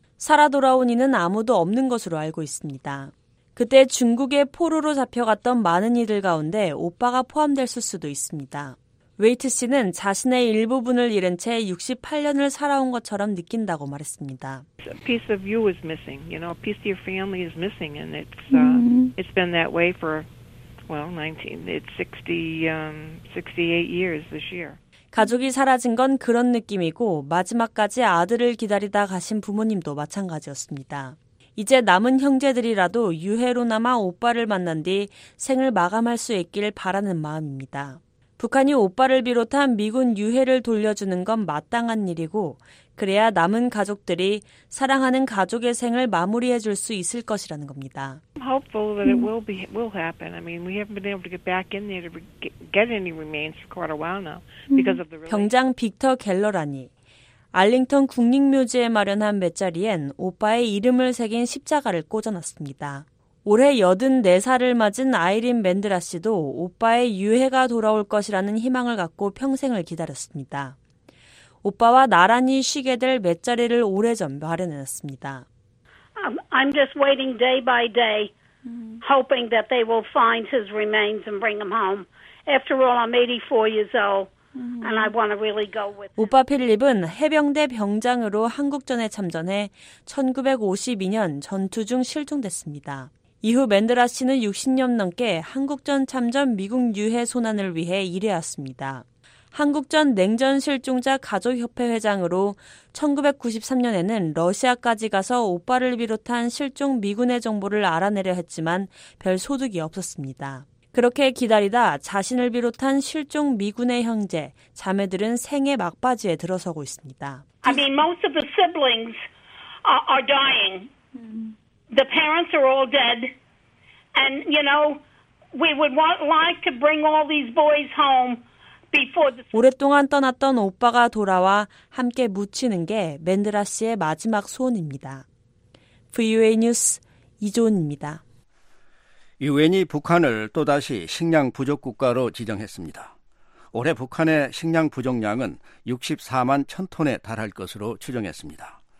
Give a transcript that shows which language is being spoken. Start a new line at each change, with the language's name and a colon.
Korean: 살아 돌아온 이는 아무도 없는 것으로 알고 있습니다. 그때 중국에 포로로 잡혀갔던 많은 이들 가운데 오빠가 포함됐을 수도 있습니다. 웨이트 씨는 자신의 일부분을 잃은 채 68년을 살아온 것처럼 느낀다고 말했습니다.
English: A piece of you is missing. You know, a piece of your family is missing, and it's been that way for well, 68 years this year.
Korean: 가족이 사라진 건 그런 느낌이고 마지막까지 아들을 기다리다 가신 부모님도 마찬가지였습니다. 이제 남은 형제들이라도 유해로나마 오빠를 만난 뒤 생을 마감할 수 있길 바라는 마음입니다. 북한이 오빠를 비롯한 미군 유해를 돌려주는 건 마땅한 일이고 그래야 남은 가족들이 사랑하는 가족의 생을 마무리해 줄 수 있을 것이라는 겁니다.
English: I'm hopeful that it will happen. I mean, we haven't been able to get back in there to get any remains for quite a while now because of the
Korean: 병장 빅터 갤러라니 알링턴 국립묘지에 마련한 몇자리엔 오빠의 이름을 새긴 십자가를 꽂아놨습니다. 올해 84살을 맞은 아이린 맨드라 씨도 오빠의 유해가 돌아올 것이라는 희망을 갖고 평생을 기다렸습니다. 오빠와 나란히 쉬게 될 맷자리를 오래전 마련해놨습니다.
English: I'm just waiting day by day, hoping that they will find his remains and bring him home. After all, I'm 84 years old, and I want to really go with him.
Korean: 오빠 필립은 해병대 병장으로 한국전에 참전해 1952년 전투 중 실종됐습니다. 이후 맨드라 씨는 60년 넘게 한국전 참전 미국 유해 소환을 위해 일해왔습니다. 한국전 냉전 실종자 가족협회 회장으로 1993년에는 러시아까지 가서 오빠를 비롯한 실종 미군의 정보를 알아내려 했지만 별 소득이 없었습니다. 그렇게 기다리다 자신을 비롯한 실종 미군의 형제, 자매들은 생의 막바지에 들어서고 있습니다.
English: I mean, most of the siblings are dying. The parents are all dead, and you know, we would want like to bring all these boys home before the.
Korean: 오랫동안 떠났던 오빠가 돌아와 함께 묻히는 게 맨드라 씨의 마지막 소원입니다. VOA 뉴스 이조은입니다. 유엔이 북한을 또다시 식량 부족 국가로 지정했습니다. 올해 북한의 식량 부족량은 64만 천 톤에 달할 것으로 추정했습니다.